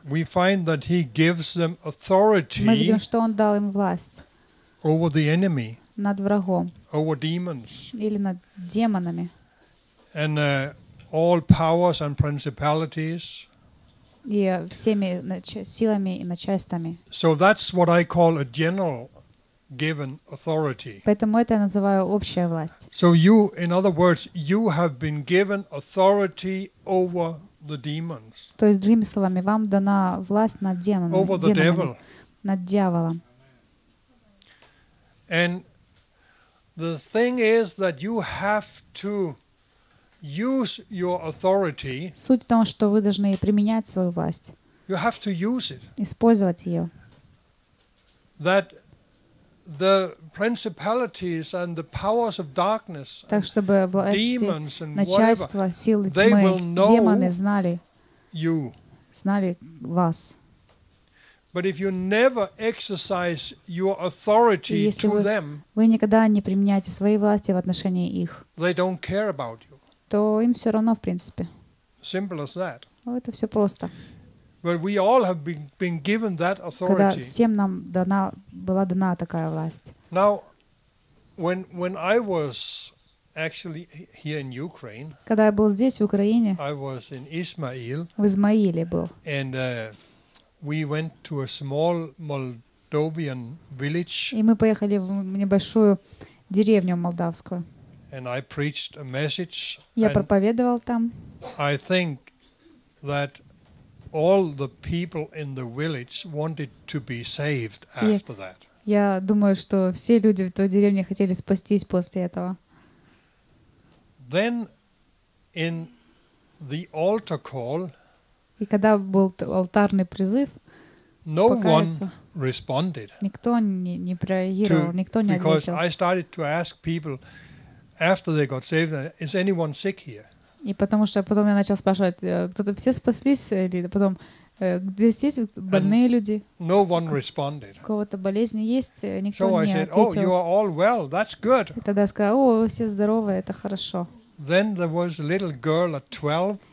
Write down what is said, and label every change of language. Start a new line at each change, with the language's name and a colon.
English: We find that he gives them authority.
Russian: Мы видим, что он дал им власть.
English: Over the enemy.
Russian: Над врагом.
English: Over demons.
Russian: Или над демонами.
English: And all powers and principalities.
Russian: И всеми силами и начальствами.
English: So that's what I call a general given authority.
Russian: Поэтому это я называю общая власть.
English: So you, in other words, you have been given authority over the demons.
Russian: То есть другими словами, вам дана власть над демонами.
English: Over the devil.
Russian: Над дьяволом.
English: And the thing is that you have to use your authority.
Russian: Суть в том, что вы должны применять свою власть.
English: You have to use it.
Russian: Использовать ее.
English: That the principalities and the powers of darkness,
Russian: так, чтобы власти,
English: demons and
Russian: начальство,
English: whatever,
Russian: силы тьмы,
English: they will know
Russian: демоны знали,
English: you.
Russian: Знали вас.
English: But if you never exercise your authority to them,
Russian: вы никогда не применяете свои власти в отношении их,
English: they don't care about you.
Russian: То им все равно, в принципе.
English: Simple as that.
Russian: Ну, это все просто.
English: But we all have been given that authority.
Russian: Когда всем нам была дана такая власть.
English: Now, when I was actually here in Ukraine,
Russian: когда я был здесь, в Украине,
English: I was in Ismail,
Russian: в Измаиле был.
English: And we went to a small Moldovan village.
Russian: И мы поехали в небольшую деревню молдавскую.
English: And I preached a message.
Russian: Я проповедовал там.
English: I think that all the people in the village wanted to be saved after that.
Russian: Я думаю, что все люди в той деревне хотели спастись после этого.
English: Then in the altar call.
Russian: И когда был алтарный призыв,
English: no one responded.
Russian: Никто не прореагировал, никто не
English: because
Russian: ответил.
English: Because I started to ask people after they got saved, is anyone sick here?
Russian: И потому что потом я начал спрашивать, кто-то все спаслись или потом где здесь больные люди?
English: No one responded.
Russian: У кого-то болезни есть, никто
English: so
Russian: не
English: I said,
Russian: ответил.
English: Oh, you are all well. That's good.
Russian: И тогда я сказал, о, вы все здоровы, это хорошо.
English: Then there was a little girl at 12.